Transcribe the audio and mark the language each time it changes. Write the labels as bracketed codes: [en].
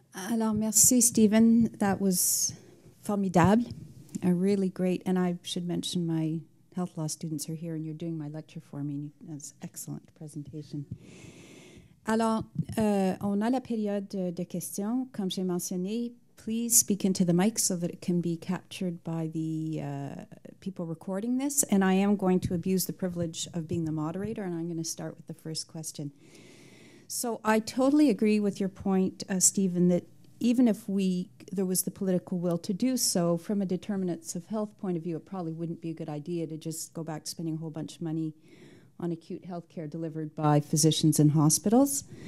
[fr] Alors, merci, [en] Stephen. That was formidable, really great. And I should mention my health law students are here, and you're doing my lecture for me. That's an excellent presentation. [fr] Alors, on a la période de questions, comme j'ai mentionné. [en] Please speak into the mic so that it can be captured by the people recording this. And I am going to abuse the privilege of being the moderator, and I'm going to start with the first question. So I totally agree with your point, Stephen, that even if there was the political will to do so, from a determinants of health point of view, it probably wouldn't be a good idea to just go back spending a whole bunch of money on acute health care delivered by physicians in hospitals.